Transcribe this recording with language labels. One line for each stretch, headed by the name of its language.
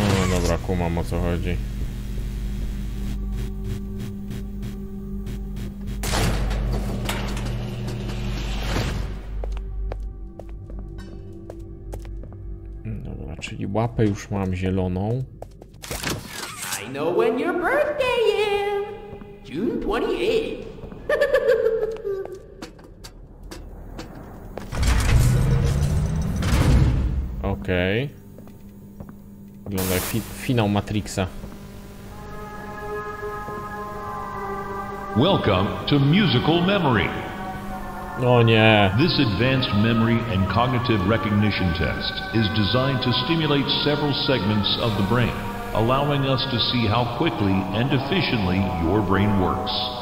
Polish: Dobra, kumam, o co chodzi. Czyli łapę już mam zieloną.
English: I know when your birthday is. June 28.
Polish: Okej. Wygląda jak finał Matrixa.
English: Welcome to Musical Memory.
Polish: No nie.
English: This advanced memory and cognitive recognition test is designed to stimulate several segments of the brain, allowing us to see how quickly and efficiently your brain works.